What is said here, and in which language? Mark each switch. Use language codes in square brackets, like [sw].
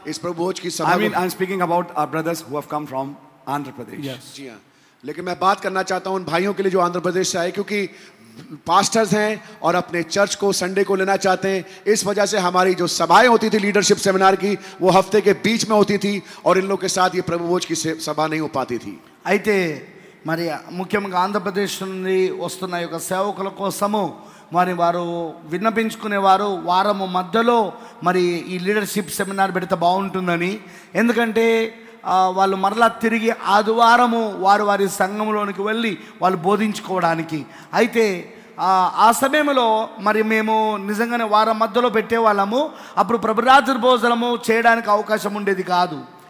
[en] I'm speaking about our brothers who have come from Andhra Pradesh. Yes. [hi] लेकिन मैं बात करना चाहता हूं उन भाइयों के लिए जो आंध्र प्रदेश से आए क्योंकि पास्टर्स हैं और अपने चर्च को संडे को लेना चाहते हैं इस वजह से हमारी जो सभाएं होती थी लीडरशिप सेमिनार की वो हफ्ते के बीच में होती थी और इन लोगों के साथ ये प्रभु भोज की सभा नहीं हो पाती थी [te] అయితే మరి ముఖ్యంగా ఆంధ్రప్రదేశ్ నుండి వస్తున్న ఒక సేవకుల కోసం మరి వారు విన్నపించుకునే వారు వారం మధ్యలో మరి ఈ లీడర్‌షిప్ సెమినార్ పెడితే బాగుంటుందని ఎందుకంటే వాళ్ళు మరలా తిరిగి ఆదివారము వారు వారి సంఘంలోనికి వెళ్ళి వాళ్ళు బోధించుకోవడానికి అయితే ఆ సమయంలో మరి మేము నిజంగానే వారం మధ్యలో పెట్టేవాళ్ళము అప్పుడు ప్రభురాత్రి భోజనము చేయడానికి అవకాశం ఉండేది కాదు